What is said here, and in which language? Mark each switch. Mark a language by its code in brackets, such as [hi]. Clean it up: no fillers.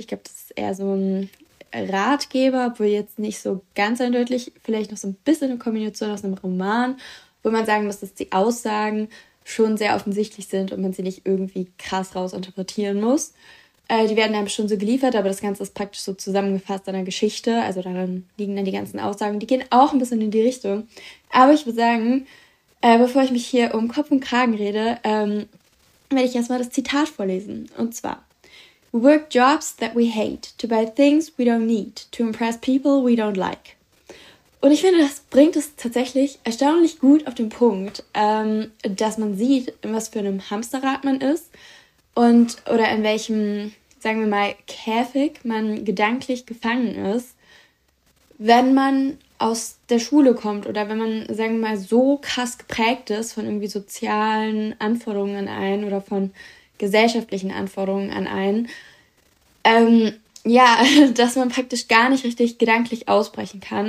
[de] Ich glaube, das ist eher so ein Ratgeber, obwohl jetzt nicht so ganz eindeutig, vielleicht noch so ein bisschen eine Kombination aus einem Roman, wo man sagen muss, dass die Aussagen schon sehr offensichtlich sind und man sie nicht irgendwie krass rausinterpretieren muss. Die werden dann schon so geliefert, aber das Ganze ist praktisch so zusammengefasst in einer Geschichte. Also daran liegen dann die ganzen Aussagen. Die gehen auch ein bisschen in die Richtung. Aber ich würde sagen, bevor ich mich hier um Kopf und Kragen rede, werde ich erstmal das Zitat vorlesen. Und zwar: [en] We work jobs that we hate, to buy things we don't need, to impress people we don't like. [de] Und ich finde, das bringt es tatsächlich erstaunlich gut auf den Punkt, dass man sieht, in was für einem Hamsterrad man ist. Und oder in welchem, sagen wir mal, Käfig man gedanklich gefangen ist, wenn man aus der Schule kommt oder wenn man, sagen wir mal, so krass geprägt ist von irgendwie sozialen Anforderungen an einen oder von gesellschaftlichen Anforderungen an einen, ja, dass man praktisch gar nicht richtig gedanklich ausbrechen kann.